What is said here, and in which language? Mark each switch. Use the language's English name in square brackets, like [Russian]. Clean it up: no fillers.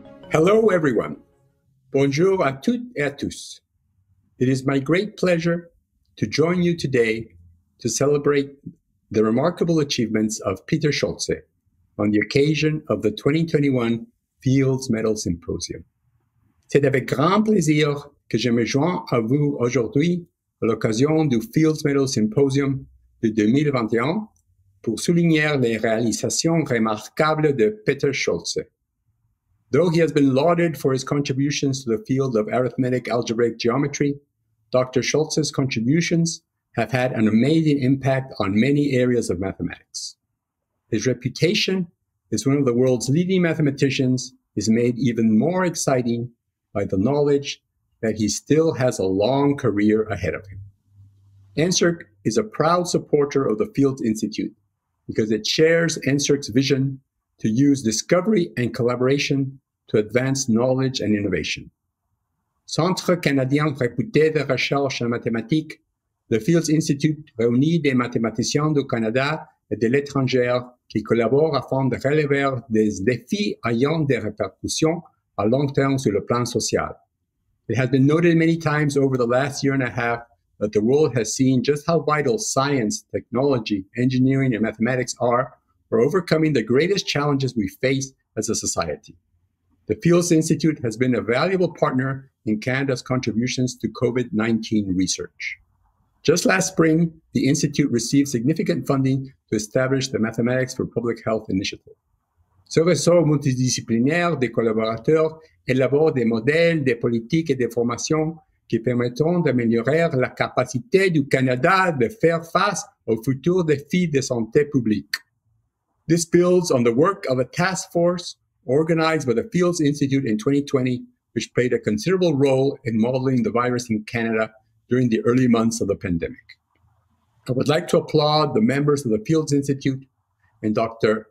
[English] Hello, everyone. [French] Bonjour à toutes et à tous. [English] It is my great pleasure to join you today to celebrate the remarkable achievements of Peter Scholze on the occasion of the 2021 Fields Medal Symposium. [French] C'est avec grand plaisir que je me joins à vous aujourd'hui à l'occasion du Fields Medal Symposium de 2021 pour souligner les réalisations remarquables de Peter Scholze. [English] Though he has been lauded for his contributions to the field of arithmetic algebraic geometry, Dr. Scholze's contributions have had an amazing impact on many areas of mathematics. His reputation as one of the world's leading mathematicians is made even more exciting by the knowledge that he still has a long career ahead of him. ENCIRC is a proud supporter of the Fields Institute because it shares ENCIRC's vision to use discovery and collaboration to advance knowledge and innovation. [French] Centre canadien réputé de recherche en mathématiques, le Fields Institute réunit des mathématiciens du Canada et de l'étranger qui collaborent afin de relever des défis ayant des répercussions à long terme sur le plan social. [English] It has been noted many times over the last year and a half that the world has seen just how vital science, technology, engineering, and mathematics are for overcoming the greatest challenges we face as a society. The Fields Institute has been a valuable partner in Canada's contributions to COVID-19 research. Just last spring, the Institute received significant funding to establish the Mathematics for Public Health Initiative. [French] Ce réseau multidisciplinaire des collaborateurs élabore des modèles, des politiques et des formations qui permettront d'améliorer la capacité du Canada de faire face aux futurs défis de santé publique. [English] This builds on the work of a task force organized by the Fields Institute in 2020, which played a considerable role in modeling the virus in Canada during the early months of the pandemic. I would like to applaud the members of the Fields Institute and Dr.